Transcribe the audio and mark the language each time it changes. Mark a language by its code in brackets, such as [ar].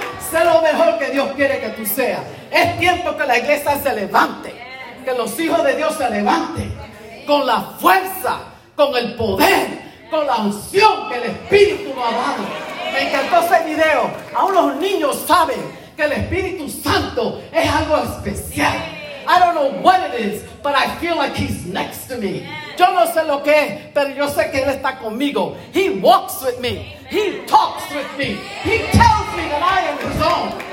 [es] Sé lo mejor que Dios quiere que tú seas. Es tiempo que la iglesia se levante, que los hijos de Dios se levanten con la fuerza, con el poder, con la unción que el Espíritu nos ha dado. Me encantó ese video. Aún los niños saben que el Espíritu Santo es algo especial. [en] I don't know what it is, but I feel like he's next to me. [es] Yo no sé lo que es, pero yo sé que él está conmigo. [en] He walks with me. He talks with me. He tells me that I am his own.